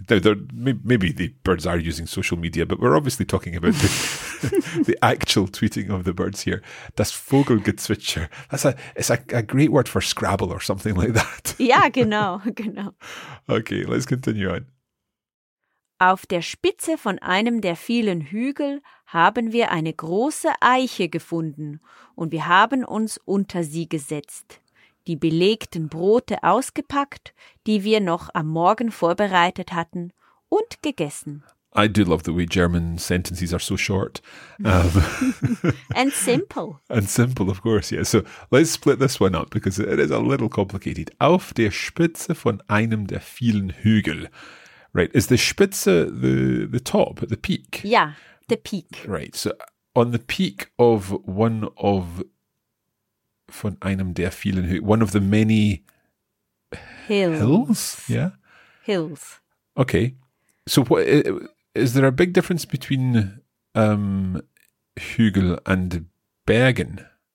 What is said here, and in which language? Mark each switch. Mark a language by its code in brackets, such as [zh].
[en] Maybe the birds are using social media, but we're obviously talking about the, the actual tweeting of the birds here. [de] Das Vogelgezwitscher. [en] It's a great word for Scrabble or something like that. Yeah, [de] genau. [en] Okay, let's continue on. [de] Auf der Spitze von einem der vielen Hügel haben wir eine große Eiche gefunden und wir haben uns unter sie gesetzt, die belegten Brote ausgepackt, die wir noch am Morgen vorbereitet hatten, und gegessen. [en] I do love the way German sentences are so short. and simple. And simple, of course, yeah. So let's split this one up because it is a little complicated. [de] Auf der Spitze von einem der vielen Hügel. [en] Right, is the Spitze the top, the peak? Yeah, the peak. Right, so on the peak of one of, [de] von einem der vielen, [en] one of the many hills? Yeah? Hills. Okay, so what is there a big difference between Hügel and Bergen?